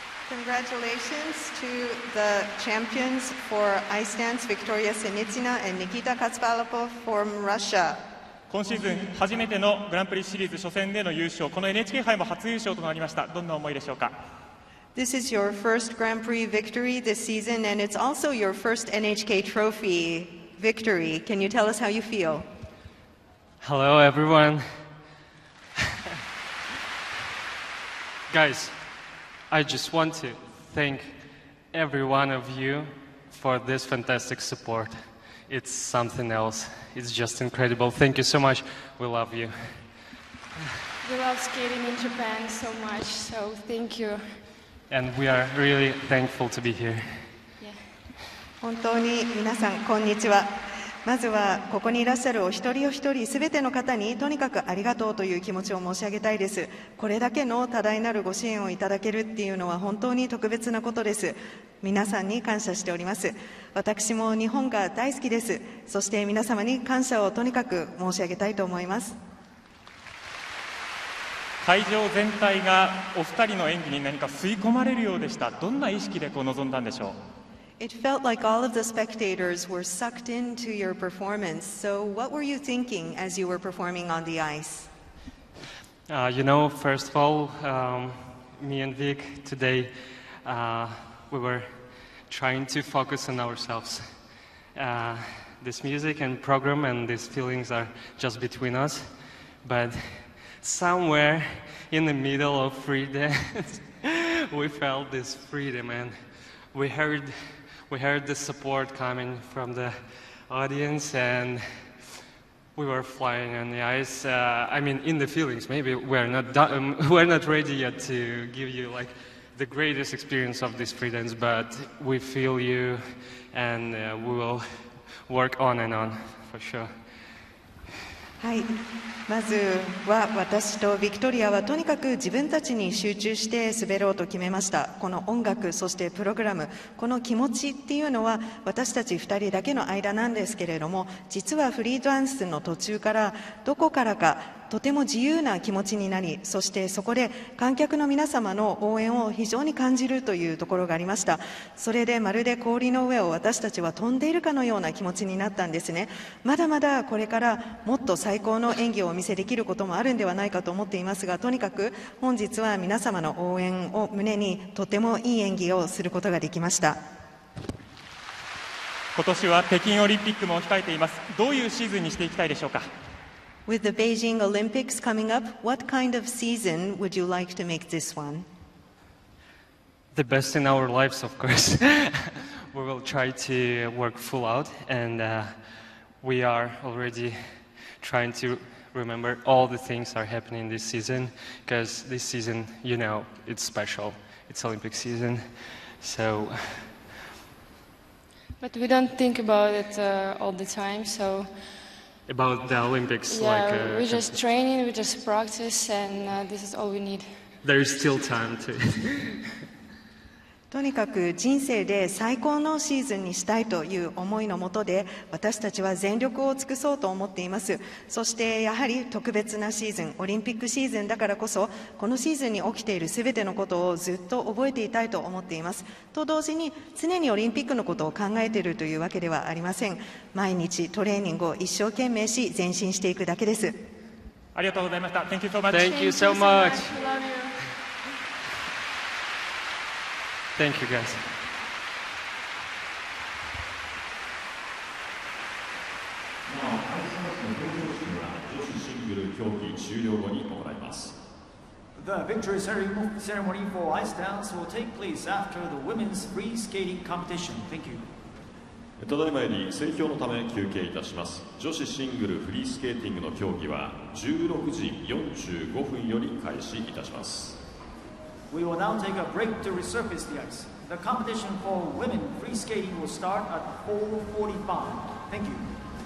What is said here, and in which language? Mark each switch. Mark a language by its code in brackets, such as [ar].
[en] Congratulations to the champions for ice dance, Victoria Sinitsina and Nikita Katsvalapov from Russia。 [ja] 今シーズン初めてのグランプリシリーズ初戦での優勝、この NHK 杯も初優勝となりました。どんな思いでしょうか。 [en] This is your first Grand Prix victory this season and it's also your first NHK trophy victory. Can you tell us how you feel? Hello everyone. Guys, I just want to thank every one of you for this fantastic support. It's something else. It's just incredible. Thank you so much. We love you. We love skating in Japan so much, so thank you. And we are really thankful to be here. Yeah. [ja] 本当に皆さん、こんにちは。まずはここにいらっしゃるお一人お一人、すべての方にとにかくありがとうという気持ちを申し上げたいです。これだけの多大なるご支援をいただけるっていうのは本当に特別なことです。皆さんに感謝しております。私も日本が大好きです。そして皆様に感謝をとにかく申し上げたいと思います。会場全体がお二人の演技に何か吸い込まれるようでした。どんな意識でこう臨んだんでしょう。 [en] It felt like all of the spectators were sucked into your performance. So what were you thinking as you were performing on the ice? First of all, me and Vic today, we were trying to focus on ourselves. This music and program and these feelings are just between us. But somewhere in the middle of free dance, we felt this freedom and we heard the support coming from the audience and we were flying on the ice. In the feelings, maybe we're not ready yet to give you like the greatest experience of this freedance, but we feel you and we will work on and on for sure. [ja] はい、まずは私とビクトリアはとにかく自分たちに集中して滑ろうと決めました。この音楽そしてプログラム、この気持ちっていうのは私たち2人だけの間なんですけれども、実はフリーダンスの途中からどこからかとても自由な気持ちになり、そしてそこで観客の皆様の応援を非常に感じるというところがありました。それでまるで氷の上を私たちは飛んでいるかのような気持ちになったんですね。まだまだこれからもっと最高の演技をお見せできることもあるんではないかと思っていますが、とにかく本日は皆様の応援を胸にとてもいい演技をすることができました。今年は北京オリンピックも控えています。どういうシーズンにしていきたいでしょうか。 [en] With the Beijing Olympics coming up, what kind of season would you like to make this one? The best in our lives, of course. We will try to work full out, and we are already trying to remember all the things that are happening this season, because this season, you know, it's special. It's Olympic season, so... But we don't think about it all the time, so... About the Olympics, yeah, like we just training, we just practice, and this is all we need. There is still time to. [ja] とにかく人生で最高のシーズンにしたいという思いのもとで、私たちは全力を尽くそうと思っています。そしてやはり特別なシーズン、オリンピックシーズンだからこそ、このシーズンに起きているすべてのことをずっと覚えていたいと思っています。と同時に常にオリンピックのことを考えているというわけではありません。毎日トレーニングを一生懸命し前進していくだけです。ありがとうございました。 [en] Thank you so much. Thank you so much. Thank you, guys. [ja] なお、開会式の表彰式は女子シングル競技終了後に行います。 [en] The victory ceremony for ice dance will take place after the women's free skating competition. Thank you. [ja] ただいまより整氷のため休憩いたします。女子シングルフリースケーティングの競技は16時45分より開始いたします。 [en] We will now take a break to resurface the ice. The competition for women free skating will start at 4:45. Thank you.